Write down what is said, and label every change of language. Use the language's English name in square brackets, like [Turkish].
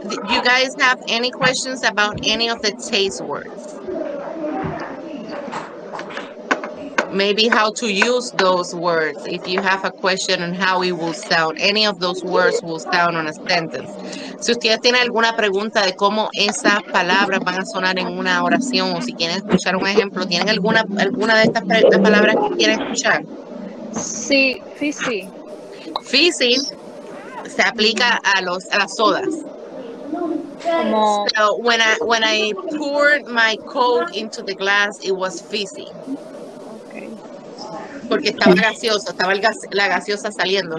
[English] You guys have any questions about any of the taste words? Maybe how to use those words. If you have a question on how it will sound, any of those words will sound on a sentence. [Spanish] Si ustedes tienen alguna pregunta de cómo esas palabras van a sonar en una oración, o si quieren escuchar un ejemplo, ¿tienen alguna de estas palabras que quieren escuchar? Sí, sí, sí. fizzing se aplica a los a las sodas. Como [English] so when I poured my Coke into the glass, it was fizzy. Okay. [Spanish] Porque estaba gaseoso, estaba el gas, la gaseosa saliendo.